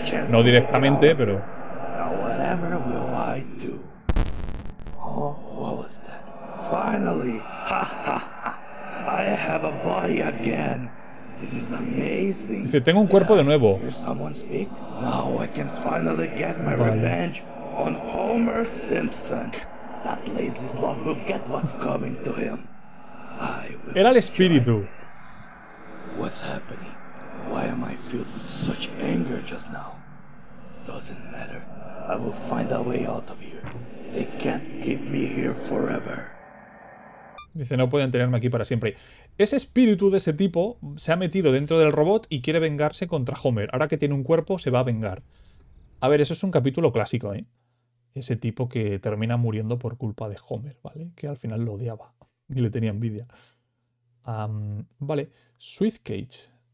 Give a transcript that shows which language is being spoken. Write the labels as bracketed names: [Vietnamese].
[Spanish] No directamente, pero... [English] Whatever will I do? Oh, what was that? Finally! Ha ha! I have a body again! This is amazing! [Spanish] Dice, tengo un cuerpo de nuevo. [English] Hear someone speak? Now I can finally get my revenge on Homer Simpson! That lazy slob will get what's coming to him! I will. [Spanish] Era el espíritu. [English] What's happening? Why am I filled with such anger just now? Doesn't matter. I will find a way out of here. They can't keep me here forever. [Spanish] Dice, no pueden tenerme aquí para siempre. Ese espíritu de ese tipo se ha metido dentro del robot y quiere vengarse contra Homer. Ahora que tiene un cuerpo, se va a vengar. A ver, eso es un capítulo clásico, ¿eh? Ese tipo que termina muriendo por culpa de Homer, ¿vale? Que al final lo odiaba y le tenía envidia. Vale, Sweet Cage.